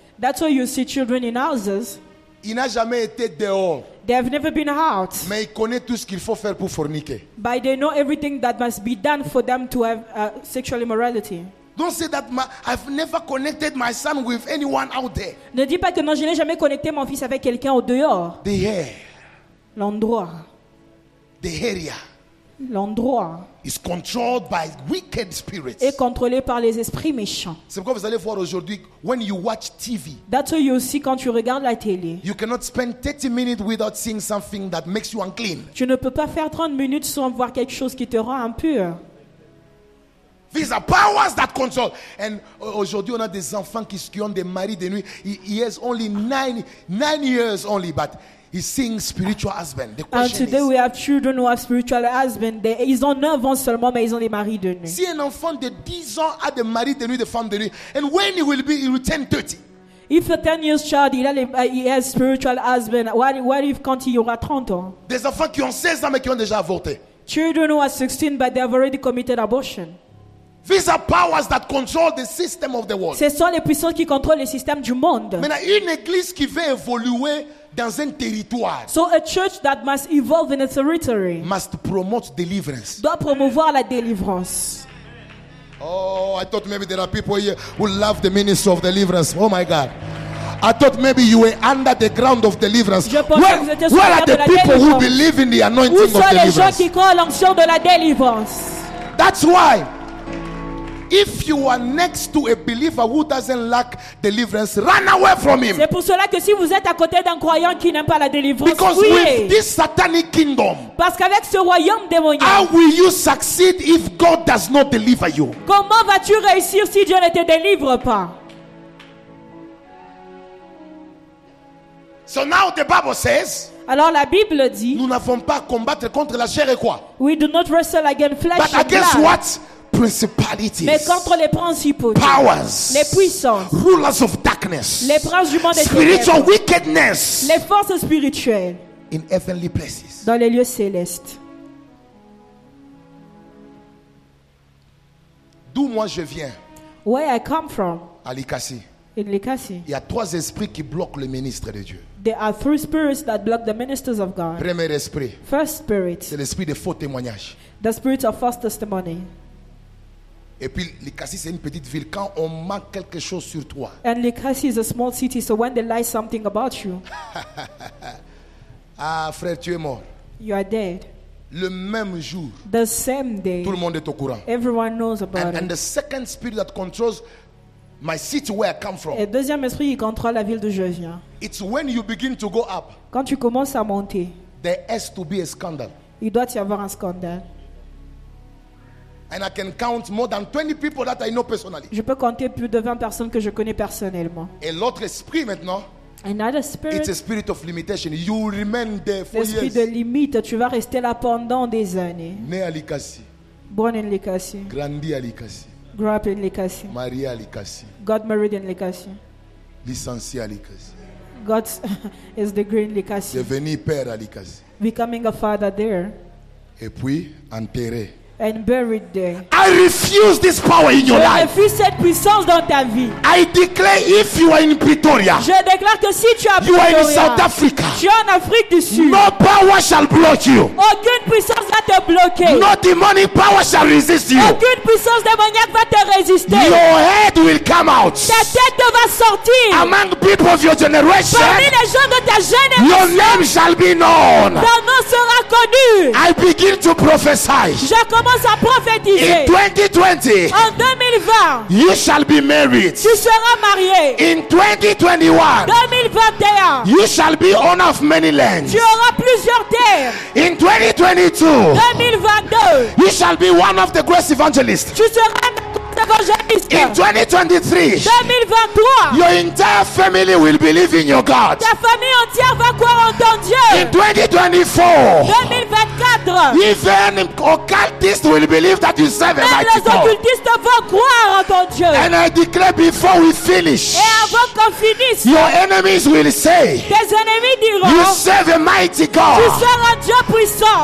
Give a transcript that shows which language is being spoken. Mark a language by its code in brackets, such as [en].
[en] That's why you see children in houses. [fr] Il n'a jamais été dehors. [en] They have never been out. [fr] Mais il connaît tout ce qu'il faut faire pour forniquer. [en] But they know everything that must be done for them to have sexual immorality. Don't say that I've never connected my son with anyone out there. [fr] Ne dis pas que non, je n'ai jamais connecté mon fils avec quelqu'un au dehors. [en] The air. [fr] L'endroit. [en] The area. [fr] L'endroit. [en] Is controlled by wicked spirits. [fr] Est contrôlé par les esprits méchants. C'est pourquoi vous allez voir aujourd'hui [en] when you watch TV. That's why you see [fr] quand tu regardes la télé. [en] You cannot spend 30 minutes without seeing something that makes you unclean. [fr] Tu ne peux pas faire 30 minutes sans voir quelque chose qui te rend impur. [en] These are powers that control. [fr] And aujourd'hui, on a des enfants qui ont des maris de nuit. [en] He has only nine years only, but he's seeing spiritual husband. The question and today is, we have children who have spiritual husband. [fr] Ils ont 9 ans seulement, mais ils ont des maris de nuit. Si un enfant de 10 ans a des maris de nuit, des femmes de nuit, [en] and when he will be, he will turn 30. If a 10 years child, he has spiritual husband, what if [fr] quand il aura 30 ans? Des enfants qui ont 16 ans, mais qui ont déjà avorté. [en] Children who are 16, but they have already committed abortion. These are powers that control the system of the world. [fr] Ce sont les puissances qui contrôlent les systèmes du monde. Maintenant, une église qui veut évoluer dans un territoire. [en] So a church that must evolve in a territory. Must promote deliverance. [fr] Doit promouvoir la délivrance. [en] Oh, I thought maybe there are people here who love the ministry of deliverance. Oh my God. I thought maybe you were under the ground of deliverance. Where are the people who believe in the anointing of deliverance? [fr] Où sont les gens qui croient à l'onction de la délivrance? [en] That's why If you are next to a believer who doesn't lack deliverance, run away from him. [fr] C'est pour cela que si vous êtes à côté d'un croyant qui n'aime pas la délivrance, [en] because [fr] fuyez. [en] With this satanic kingdom, [fr] parce qu'avec ce royaume démoniaque, [en] how will you succeed if God does not deliver you? [fr] Comment vas-tu réussir si Dieu ne te délivre pas? [en] So now the Bible says, [fr] alors la Bible dit, nous n'avons pas à combattre contre la chair et quoi? [en] We do not wrestle against flesh but and against blood. What? Principalities. [fr] Mais contre les principaux. [en] Powers. [fr] Les puissances. [en] Rulers of darkness. [fr] Les princes du monde des ténèbres. [en] Spiritual wickedness. [fr] Les forces spirituelles. [en] In heavenly places. [fr] Dans les lieux célestes. D'où moi je viens? [en] Where I come from? [fr] À Likasi. [en] In Likasi. [fr] Il y a trois esprits qui bloquent le ministre de Dieu. [en] There are three spirits that block the ministers of God. [fr] Premier esprit. [en] First spirit. [fr] C'est l'esprit de faux témoignages. [en] The spirit of false testimony. [fr] Et puis Likasi c'est une petite ville. Quand on manque quelque chose sur toi. [en] And Likasi is a small city, so when they lie something about you. [fr] Ah frère, tu es mort. [en] You are dead. [fr] Le même jour. [en] The same day. [fr] Tout le monde est au courant. [en] Everyone knows about it. And the second spirit that controls my city where I come from. [fr] Et deuxième esprit, il contrôle la ville d'où je viens. [en] It's when you begin to go up. [fr] Quand tu commences à monter. [en] There has to be a scandal. [fr] Il doit y avoir un scandale. [en] And I can count more than 20 people that I know personally. [fr] Je peux compter plus de 20 personnes que je connais personnellement. Et l'autre esprit maintenant. [en] Another spirit. It's a spirit of limitation. You remain there for [fr] l'esprit [en] years. [fr] L'esprit de limite, tu vas rester là pendant des années. Né à Likasi. [en] Born in Likasi. [fr] Grandi à Likasi. [en] Grew up in Likasi. [fr] Marié à Likasi. [en] Got married in Likasi. [fr] Licencié à Likasi. [en] Got his degree in Likasi. [fr] Devenu père à Likasi. [en] Becoming a father there. [fr] Et puis enterré. [en] And buried there. I refuse this power in your life. [fr] Je refuse cette puissance dans ta vie. [en] I declare if you are in Pretoria. [fr] Je déclare que si tu es à Pretoria. [en] You are in South Africa. [fr] Tu es en Afrique du Sud. [en] No power shall block you. [fr] Aucune puissance va te bloquer. [en] No demonic power shall resist you. [fr] Aucune puissance démoniaque va te résister. [en] Your head will come out. [fr] Ta tête va sortir. [en] Among people of your generation. [fr] Parmi les gens de ta génération. [en] Your name shall be known. [fr] Ton nom sera connu. [en] I begin to prophesy. [fr] Commence à prophétiser. [en] In 2020, [fr] en 2020, [en] you shall be married. [fr] Tu seras marié. [en] In 2021, [fr] 2021, [en] you shall be owner of many lands. [fr] Tu auras plusieurs terres. [en] In 2022, [fr] 2022, [en] you shall be one of the great evangelists. [fr] Tu seras un grand évangéliste. [en] In 2023, [fr] 2023, [en] your entire family will believe in your God. [fr] Ta famille entière va croire en ton Dieu. [en] In 2024, [fr] 2024, [en] even occultists will believe that you serve a mighty God. [fr] Les occultistes vont croire en ton Dieu. [en] And I declare before we finish, [fr] et avant qu'on finisse, [en] your enemies will say, [fr] tes ennemis diront, [en] you serve a mighty God. [fr] Tu seras un Dieu puissant.